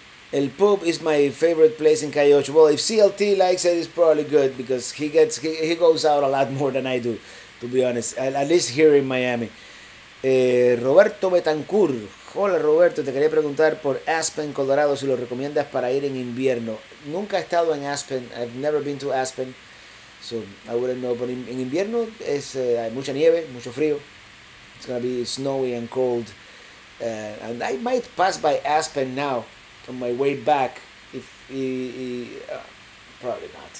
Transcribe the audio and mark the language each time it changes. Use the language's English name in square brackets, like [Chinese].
[English] El Pub is my favorite place in Cayocho. Well, if CLT likes it, it's probably good because he goes out a lot more than I do, to be honest, at least here in Miami. [Spanish] Roberto Betancourt. Hola, Roberto. Te quería preguntar por Aspen, Colorado, si lo recomiendas para ir en invierno. Nunca he estado en Aspen. [English] I've never been to Aspen, so I wouldn't know. But in [Spanish] invierno, hay mucha nieve, mucho frío. [English] It's going to be snowy and cold. And I might pass by Aspen now. On my way back, probably not.